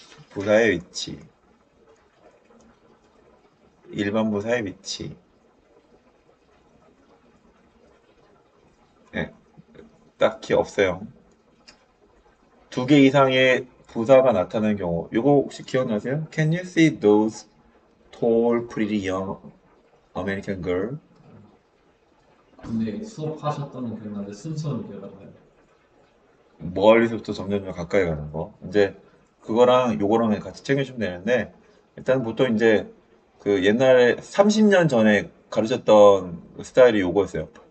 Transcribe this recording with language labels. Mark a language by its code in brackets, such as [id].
[ko] 부사의 위치. 일반 부사의 위치. 네. 딱히 없어요. 두개 이상의 부사가 나타나는 경우. 이거 혹시 기억나세요? [en] Can you see those tall, pretty young American girl? [ko] 근데 수업하셨던 게 기억나는데 순서는 기억 안 나요. 멀리서부터 점점 가까이 가는 거. 이제 그거랑 요거랑 같이 챙겨주시면 되는데, 일단 보통 이제 그 옛날에 30년 전에 가르쳤던 스타일이 요거였어요.